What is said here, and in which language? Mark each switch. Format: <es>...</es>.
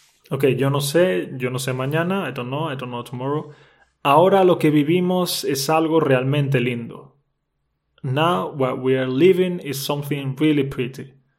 <es>Ok, yo no sé mañana,</es> <en>I don't know tomorrow.</en> <es>Ahora lo que vivimos es algo realmente lindo.</es> <en>Now what we are living is something really pretty.</en>